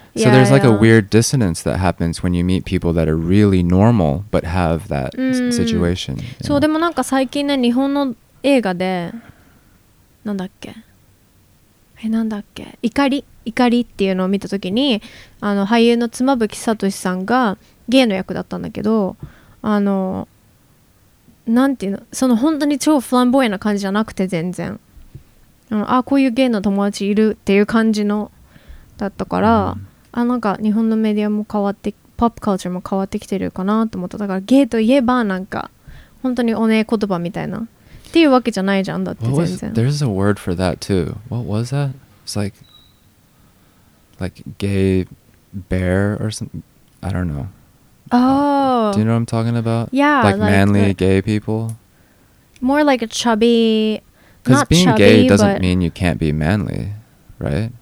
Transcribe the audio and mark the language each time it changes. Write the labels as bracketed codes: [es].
[en] So there's like a weird dissonance that happens when you meet people that are really normal but have that situation. [ja] So, でもなんか最近ね、日本の映画で、なんだっけ?え、なんだっけ? 怒りっていうのを見た時に、あの俳優の妻夫木聡さんがゲイの役だったんだけど、あのなんていうの、その本当に超フランボエな感じじゃなくて、全然こういうゲイの友達いるっていう感じのだったから、なんか日本のメディアも変わって、ポップカルチャーも変わってきてるかなと思った。だからゲイといえばなんか本当におねえ言葉みたいなっていうわけじゃないじゃんだって。全然 [en] there's a word for that too. What was that? It's like gay bear or something. I don't know. Oh. Do you know what I'm talking about? Yeah. Like manly gay people? More like a chubby, not chubby, because being gay doesn't mean you can't be manly, right?